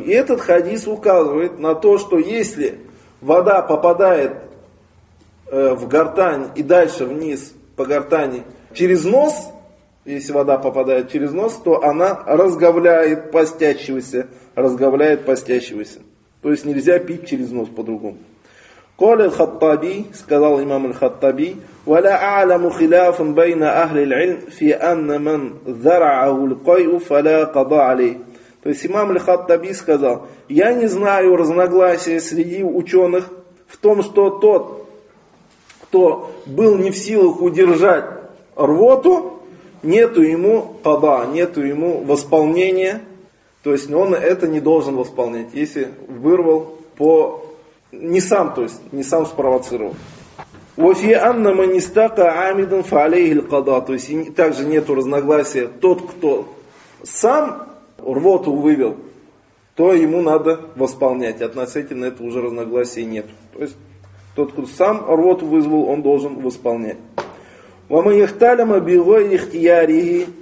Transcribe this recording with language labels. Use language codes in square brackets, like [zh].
[ru] И этот хадис указывает на то, что если вода попадает в гортань и дальше вниз по гортани через нос, если вода попадает через нос, то она разговляет постящегося, разговляет постящегося. То есть нельзя пить через нос по-другому. Коля Хаттаби, сказал имам Аль-Хаттаби, [ar] وَلَا أَعْلَمُ خِلَافٌ بَيْنَ أَهْلِ الْعِلْمِ فِي أَنَّ مَنْ ذَرَعَهُ الْقَيْءُ فَلَا قَضَى عَلَيْهِ. [ru] То есть имам Аль-Хаттаби сказал: я не знаю разногласия среди ученых в том, что тот, кто был не в силах удержать рвоту, нету ему пада, нету ему восполнения, то есть он это не должен восполнять, если вырвал по... не сам, то есть не сам спровоцировал. [ar] وفي أن من استقى عامدا فعليه القضاء. [ru] То есть также нету разногласия. Тот, кто сам рвоту вывел, то ему надо восполнять. Относительно этого уже разногласий нет. То есть тот, кто сам рвоту вызвал, он должен восполнять. [ar] ومن احتلم بغير اختياره.